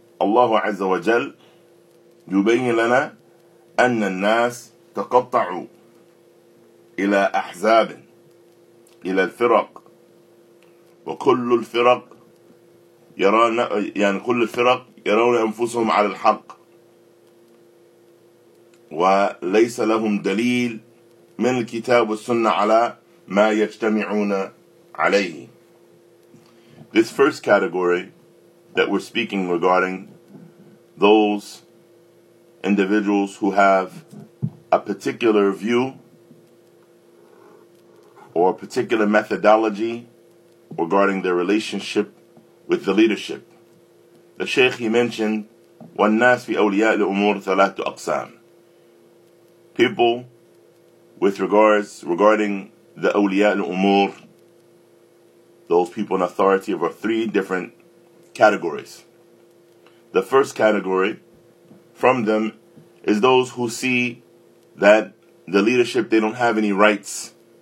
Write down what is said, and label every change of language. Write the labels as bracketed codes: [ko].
[ar] الله عز وجل يبين لنا أن الناس تقطعوا إلى أحزاب، إلى الفرق، وكل الفرق يرون، يعني كل الفرق يرون أنفسهم على الحق، وليس لهم دليل من الكتاب والسنة على ما يجتمعون عليه. [en] This first category that we're speaking regarding, those individuals who have a particular view or a particular methodology regarding their relationship with the leadership. The Shaykh, he mentioned, [ar] وَالنَّاسِ فِي أَوْلِيَاءِ الْأُمُورِ ثَلَاثُ أَقْسَامٍ. [en] People with regarding the أولياء الأمور, those people in authority, are three different categories. The first category from them is those who see that the leadership, they don't have any rights.